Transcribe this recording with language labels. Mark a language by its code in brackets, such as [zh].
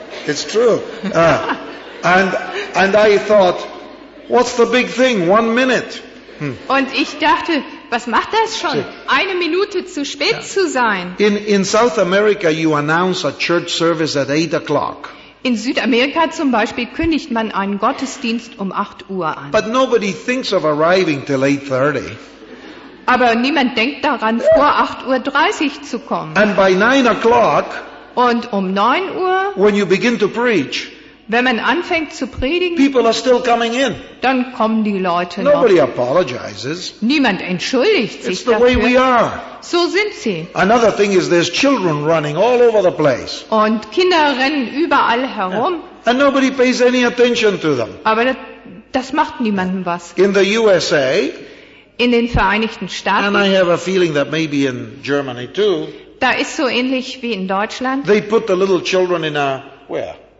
[en] It's true. And I thought, what's the big thing? 1 minute. [de] Und ich dachte, was macht das schon, eine Minute zu spät zu sein? [en] In South America, you announce a church service at 8:00. [de] In Südamerika zum Beispiel kündigt man einen Gottesdienst um 8 Uhr an. [en] But nobody thinks of arriving till 8:30. [de] Aber niemand denkt daran, vor 8:30 Uhr zu kommen. [en] And by 9:00, [de] und um 9 Uhr, [en] when you begin to preach, [de] wenn man anfängt zu predigen, [en] people are still coming in. [de] Dann kommen die Leute [en] nobody [de] noch. [en] Nobody apologizes. [de] Niemand entschuldigt sich [en] It's [de] dafür. [en] The way we are. [de] So sind sie. [en] Another thing is there's children running all over the place. [de] Und Kinder rennen überall herum. [en] And nobody pays any attention to them. [de] Aber das macht niemandem was. [en] In the USA, [de] in den Vereinigten Staaten, [en] and I have a feeling that maybe in Germany too, [de] da ist so ähnlich wie in Deutschland, [en] they put the little children in a, where?